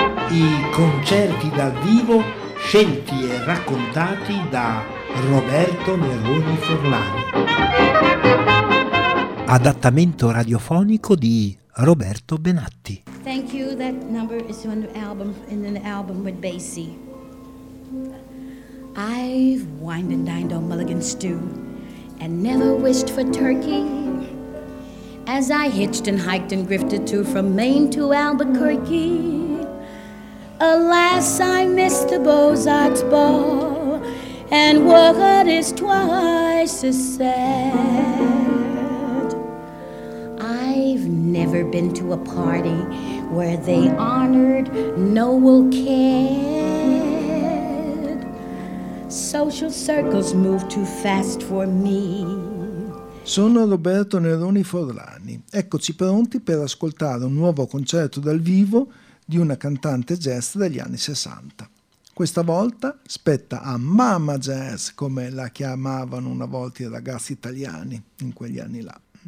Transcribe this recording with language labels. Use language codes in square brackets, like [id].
[it] I concerti dal vivo scelti e raccontati da Roberto Neroni Forlani. Adattamento radiofonico di Roberto Benatti. [en] Thank you. That number is on an album, in an album with Basie. I've wined and dined on mulligan stew and never wished for turkey. As I hitched and hiked and grifted to from Maine to Albuquerque, alas, I missed the Bozarts ball, and what is twice as sad. I've never been to a party where they honored Noel Kidd. Social circles move too fast for me. [it] Sono Roberto Neroni Forlani. Eccoci pronti per ascoltare un nuovo concerto dal vivo di una cantante jazz degli anni 60. Questa volta spetta a Mama Jazz, come la chiamavano una volta i ragazzi italiani in quegli anni là.